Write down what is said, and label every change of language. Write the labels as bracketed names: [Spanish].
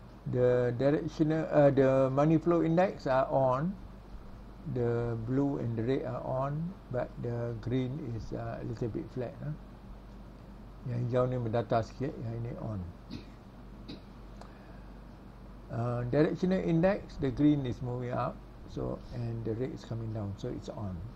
[English] The directional, the money flow index are on, the blue and the red are on, but the green is a little bit flat. [Malay] Yang hijau ni mendata sikit, yang ini on. [English] Directional index, the green is moving up, so, and the red is coming down, so it's on.